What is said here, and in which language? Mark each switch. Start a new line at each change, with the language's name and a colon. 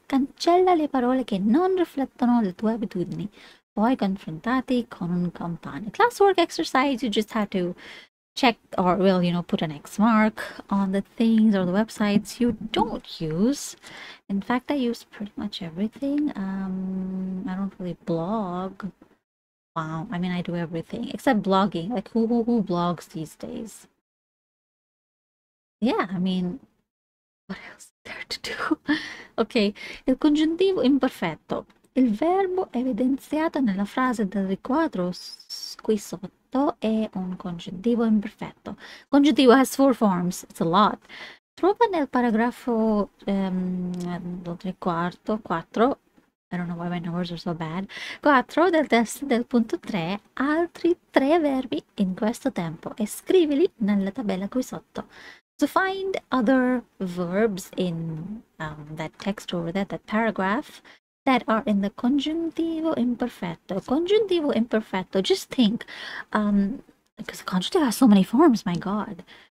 Italian: Cancella le parole che non riflettono le tue abitudini. Poi confrontati con un compagno.
English: Classwork exercise, you just have to check or, well, you know, put an X mark on the things or the websites you don't use. In fact, I use pretty much everything. I don't really blog. Wow, I mean, I do everything except blogging. Like, who blogs these days? Yeah, I mean, what else is there to do?
Italian: Okay, il congiuntivo imperfetto. Il verbo evidenziato nella frase del riquadro qui sotto è un congiuntivo imperfetto.
English: Congiuntivo has four forms. It's a lot.
Italian: Trova nel paragrafo del riquadro quattro.
English: I don't know why my numbers are so bad.
Italian: 4 del testo del punto 3, altri 3 verbi in questo tempo e scrivili nella tabella qui sotto.
English: To find other verbs in that text over there, that paragraph, that are in the congiuntivo imperfetto. Congiuntivo imperfetto, just think, because the congiuntivo has so many forms, my god.